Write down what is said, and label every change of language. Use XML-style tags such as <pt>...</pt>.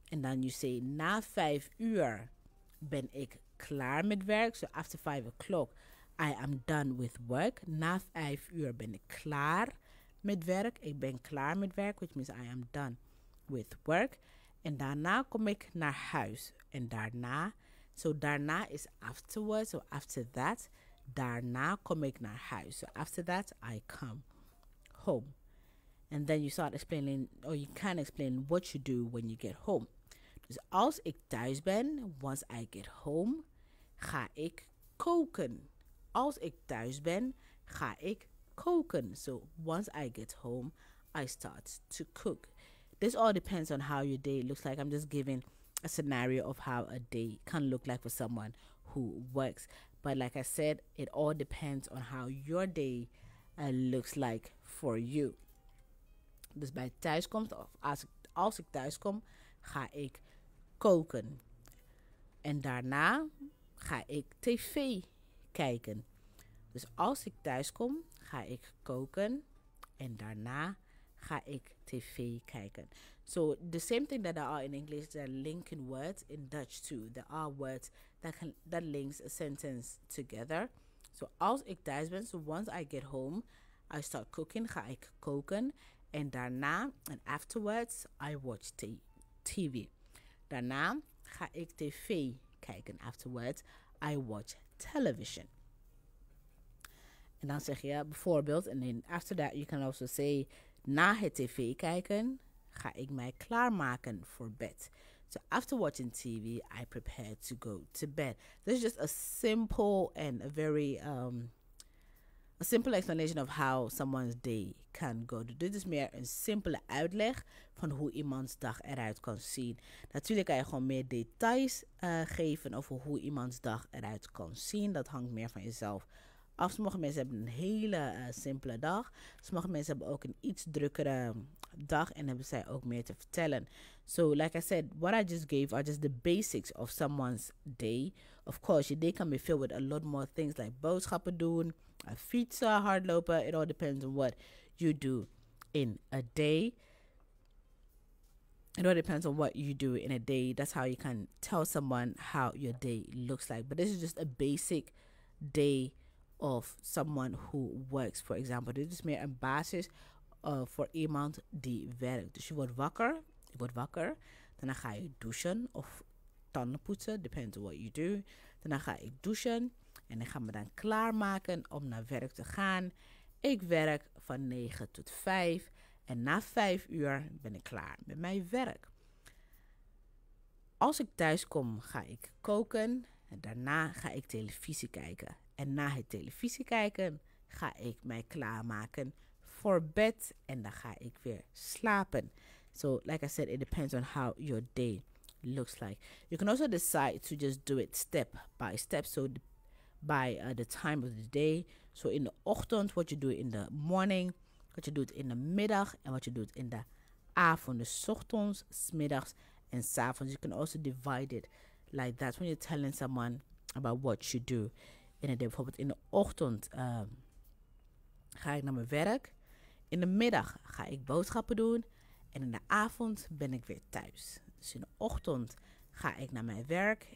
<nl>En dan</nl> <en>you say,</en> <nl>na 5 uur ben ik klaar met werk.</nl> <en>So after 5 o'clock, I am done with work.</en> <nl>Na 5 uur ben ik klaar met werk. Ik ben klaar met werk,</nl> <en>which means I am done with work.</en> <nl>En daarna kom ik naar huis. En daarna, so daarna is afterwards.</nl> <en>So after that,</en> <nl>daarna kom ik naar huis.</nl> <en>So after that, I come home. And then you start explaining, or you can explain what you do when you get home.</en> <nl>Dus als ik thuis ben,</nl> <en>once I get home,</en> <nl>ga ik koken. Als ik thuis ben, ga ik koken.</nl> <en>So once I get home, I start to cook. This all depends on how your day looks like. I'm just giving a scenario of how a day can look like for someone who works. But like I said, it all depends on how your day looks like for you.</en> <nl>Dus bij thuiskomst, of als ik thuis kom, ga ik koken. En daarna ga ik tv kijken. Dus als ik thuis kom, ga ik koken. En daarna ga ik tv kijken.</nl> <en>So the same thing that there are in English, there are linking words in Dutch too. There are words that links a sentence together. So</en> <nl>als ik thuis ben,</nl> <en>so once I get home, I start cooking,</en> <nl>ga ik koken. En daarna,</nl> <en>and afterwards, I watch TV.</en> <nl>Daarna ga ik tv kijken.</nl> <en>Afterwards, I watch television.</en> <nl>En dan zeg je bijvoorbeeld,</nl> <en>and then after that, you can also say,</en> <nl>na het tv kijken, ga ik mij klaarmaken voor bed.</nl> <en>So after watching TV, I prepare to go to bed. This is just a simple and a very a simple explanation of how someone's day can go.</en> <nl>Dit is meer een simpele uitleg van hoe iemands dag eruit kan zien. Natuurlijk kan je gewoon meer details geven over hoe iemands dag eruit kan zien. Dat hangt meer van jezelf af. Sommige mensen hebben een hele simpele dag. Sommige mensen hebben ook een iets drukkere dag en hebben zij ook meer te vertellen.</nl> <en>So, like I said, what I just gave are just the basics of someone's day. Of course, your day can be filled with a lot more things like</en> <nl>boodschappen doen, fietsen, hardlopen.</nl> <en>It all depends on what you do in a day. It all depends on what you do in a day. That's how you can tell someone how your day looks like. But this is just a basic day of someone who works, for example.</en> <nl>Dit is meer een basis voor iemand die werkt. Dus je wordt wakker. Daarna ga je douchen of tanden poetsen.</nl> <en>Depends on what you do.</en> <nl>Daarna ga ik douchen. En ik ga me dan klaarmaken om naar werk te gaan. Ik werk van 9 tot 5. En na 5 uur ben ik klaar met mijn werk. Als ik thuis kom, ga ik koken. En daarna ga ik televisie kijken. En na het televisie kijken, ga ik mij klaarmaken voor bed. En dan ga ik weer slapen.</nl> <en>So, like I said, it depends on how your day looks like. You can also decide to just do it step by step. So, by the time of the day. So, in the ochtend, what you do in the morning. What you do in the middag. And what you do in the avond.</en> <nl>Dus ochtends, smiddags en 's avonds.</nl> <en>You can also divide it like that. When you're telling someone about what you do in a day.</en> <nl>Bijvoorbeeld in de ochtend ga ik naar mijn werk. In de middag ga ik boodschappen doen. En in de avond ben ik weer thuis. Dus in de ochtend ga ik naar mijn werk.</nl>